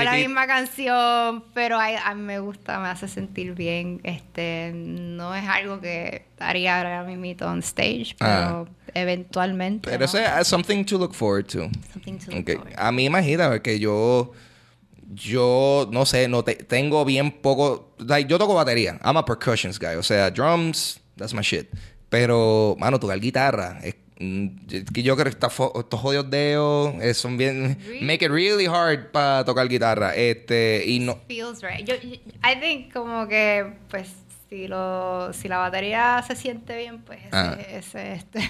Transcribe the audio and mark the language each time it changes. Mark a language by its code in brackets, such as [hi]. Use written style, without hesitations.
[es] la misma canción, pero a mí me gusta, me hace sentir bien. No es algo que haría ahora mismo [en] on stage, [es] pero eventualmente. Pero eso, ¿no? Es [en] something to look forward to. Something to look forward to. [es] A mí imagina que yo no sé, tengo bien poco. Like, yo toco batería. [en] I'm a percussions guy. [es] O sea, [en] drums, that's my shit. [es] Pero, mano, tocar guitarra, yo creo que estos jodidos dedos son bien... [en] Make it really hard [es] para tocar guitarra. Y no... [en] Feels right. I think [es] como que, pues, si la batería se siente bien, pues, ese...